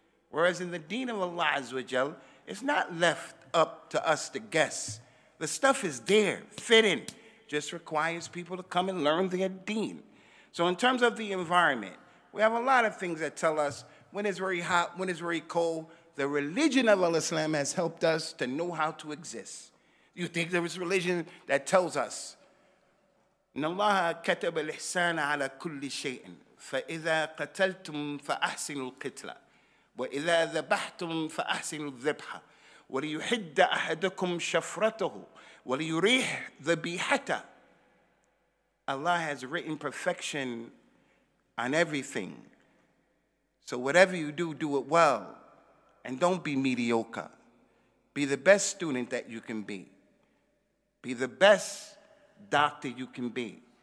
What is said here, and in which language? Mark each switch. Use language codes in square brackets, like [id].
[en] Whereas in the deen of Allah Azza wa Jal, it's not left up to us to guess. The stuff is there, fitting. Just requires people to come and learn their deen. So in terms of the environment, we have a lot of things that tell us when it's very hot, when it's very cold. The religion of Al-Islam has helped us to know how to exist. You think there is religion that tells us, Allah [ar] كتب الإحسان على كل شيء فإذا قتلتم فأحسنوا القتلة وإذا ذبحتم فأحسنوا الذبحة وليحد أحدكم شفرته وليريح ذبيحته. [en] Allah has written perfection on everything. So whatever you do, do it well. And don't be mediocre. Be the best student that you can be. Be the best doctor you can be.